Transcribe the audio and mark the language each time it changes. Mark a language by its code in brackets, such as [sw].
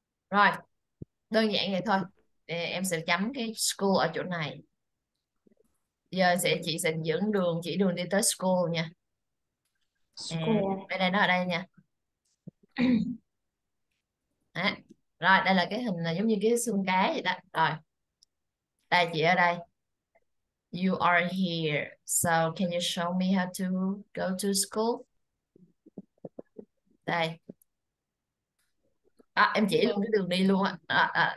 [vi] Rồi, đơn giản vậy thôi. Để em sẽ chấm cái school ở chỗ này. Giờ chị sẽ dẫn đường, chỉ đường đi tới school nha. À, School. đây nó ở đây nha. À, rồi, đây là cái hình là giống như cái xương cá vậy đó. Rồi, đây chị ở đây. [en] You are here. So can you show me how to go to school? [vi] Đây. À, em chỉ luôn cái đường đi luôn á.